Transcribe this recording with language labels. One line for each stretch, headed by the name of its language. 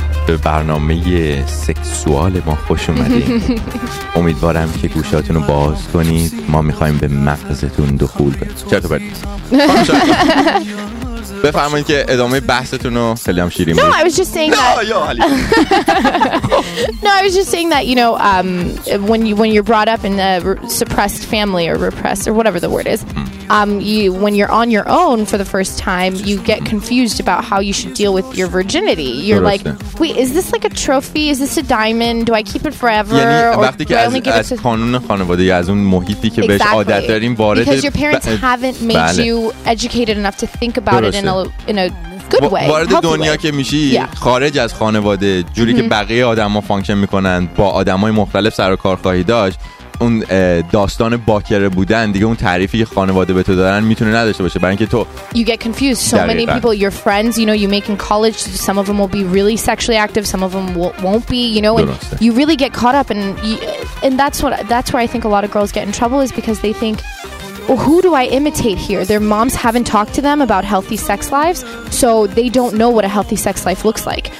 Persian: به برنامه سکسوال ما خوش اومدید. امیدوارم که گوشاتون رو باز کنید، ما میخواییم به مغزتون دخول بدیم. چرا تو بفرمایید که ادامه بحثتون رو خیلی هم شیرین.
English: No, I was just saying that you know when you're brought up in a suppressed family or repressed or whatever the word is, when you're on your own for the first time, you get confused about how you should deal with your virginity. You're like, wait, is this like a trophy? Is this a diamond? Do I keep it forever?
Persian: Yani, وقتی که از قانون خانواده یا از اون محیطی که بهش عادت داریم وارد،
English: because your parents haven't made you educated enough to think about it in a good way.
Persian: وارد دنیا که میشی خارج از خانواده، جوری که بقیه آدم‌ها فانکشن می‌کنن، با آدم‌های مختلف سر و کار خواهی داشت. اون داستان باکره بودن دیگه، اون تعریفی که خانواده به تو دارن میتونه نداشته باشه، برای اینکه تو
English: you get confused. So many people, your friends, you know, you make in college, some of them will be really sexually active, some of them won't be, you know, and you really get caught up and that's where I think a lot of girls get in trouble, is because they think, well, who do I imitate here? Their moms haven't talked to them about healthy sex lives, so they don't know what a healthy sex life looks like.